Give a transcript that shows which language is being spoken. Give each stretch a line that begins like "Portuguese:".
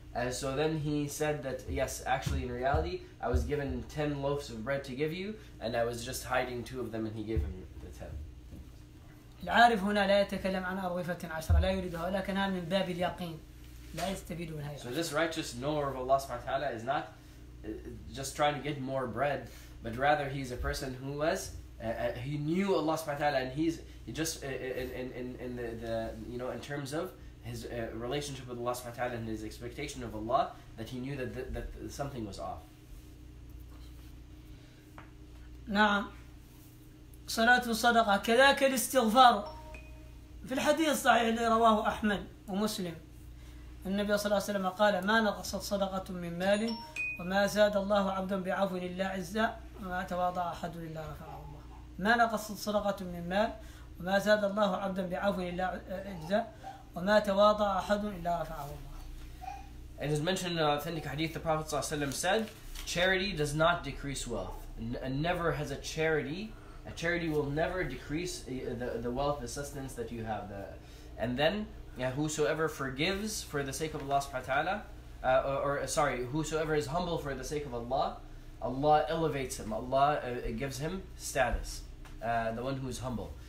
English: So then he said that, yes, actually in reality, I was given 10 loaves of bread to give you, and I was just hiding two of them, and he gave him the 10.
Arabic: العارف هنا لا يتكلم عن أرغفة عشرة لا يريدها ولكنها من باب اليقين لا يستفيد منها.
English: So this righteous knower of Allah subhanahu wa ta'ala is not just trying to get more bread, but rather he's a person who was he knew Allah subhanahu wa ta'ala, and he's just in terms of his relationship with Allah subhanahu wa ta'ala and his expectation of Allah, that he knew that something was off.
Arabic: نعم صلاة الصدقة كذاك الاستغفار في الحديث الصحيح اللي رواه أحمد ومسلم النبي صلى الله عليه وسلم قال ما نقصت صدقة من مال وما زاد الله عبدا بعفو إلا عزة وما تواضع أحد إلا رفعه الله. ما نقصت صدقة من مال وما زاد الله عبدا بعفو إلا عزة وما تواضع أحد إلا رفعه الله.
English: It is mentioned in an authentic hadith, the Prophet
Arabic: صلى الله عليه وسلم
English: said, charity does not decrease wealth. Never has a charity will never decrease the wealth, the sustenance that you have. And then, whosoever forgives for the sake of Allah subhanahu wa ta'ala, whosoever is humble for the sake of Allah, Allah elevates him, Allah gives him status, the one who is humble.